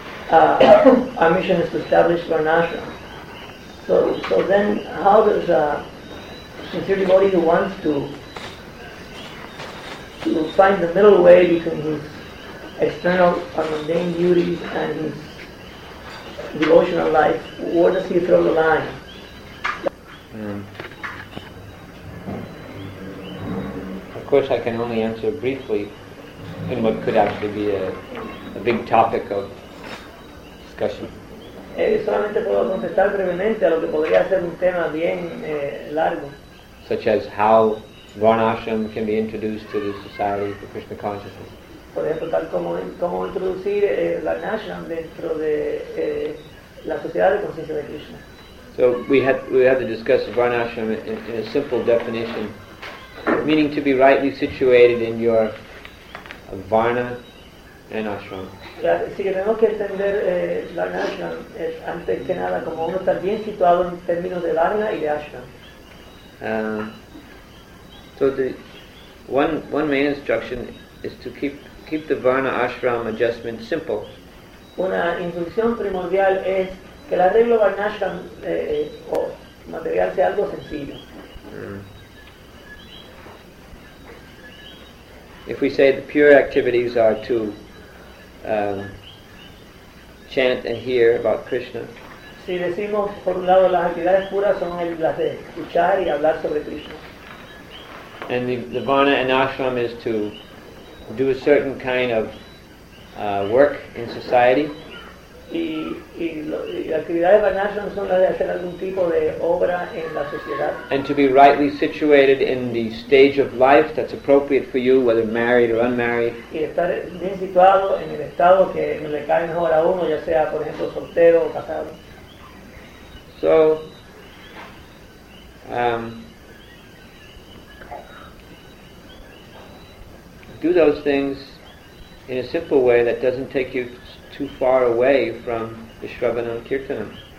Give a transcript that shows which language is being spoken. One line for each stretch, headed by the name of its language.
English: Our mission is to establish Varnashram. So then how does a sincere devotee who wants to find the middle way between his external or mundane duties and his devotional life, where does he throw the line? Of course I can only answer briefly in what could actually be a big topic of discussion.
Spanish: Solamente puedo contestar brevemente a lo que podría ser un tema bien largo.
English: Such as how Varnashram can be introduced to the society for Krishna consciousness.
Spanish: Por ejemplo, tal como introducir Varnashram dentro de la sociedad de conciencia de Krishna.
English: So we had to discuss Varnashram in a simple definition, meaning to be rightly situated in your Varna and Ashram.
Spanish: Así que tenemos que entender Varnashram antes que nada como uno está bien situado en términos de Varna y de Ashram.
English: So the one main instruction is to keep the Varna Ashram adjustment simple.
Spanish: Una instrucción primordial es que el arreglo Varnashram o material sea algo sencillo.
English: If we say the pure activities are to chant and hear about Krishna.
Spanish: Si decimos por un lado las actividades puras son las de escuchar y hablar sobre Krishna.
English: And the Varna and Ashram is to do a certain kind of work in society.
Spanish: Y actividades Varna Ashram son las de hacer algún tipo de obra en la sociedad.
English: And to be rightly situated in the stage of life that's appropriate for you, whether married or unmarried.
Spanish: Y estar bien situado en el estado que le cae mejor a uno, ya sea por ejemplo soltero o casado.
English: So, do those things in a simple way that doesn't take you too far away from the Shravanam Kirtanam.